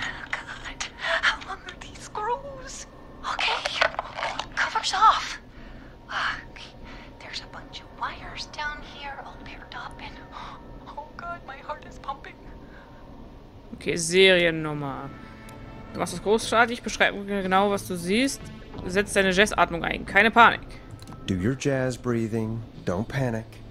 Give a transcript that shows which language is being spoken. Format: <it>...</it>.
<en>God, how long are these screws? Okay, cover's off. Okay. There's a bunch of wires down here all paired up and... Oh God, my heart is pumping.</en> <de>Okay, Seriennummer. Du machst es großartig, beschreib genau, was du siehst. Setz deine Jazzatmung ein, keine Panik.</de> <en>Do your jazz breathing, don't panic.</en>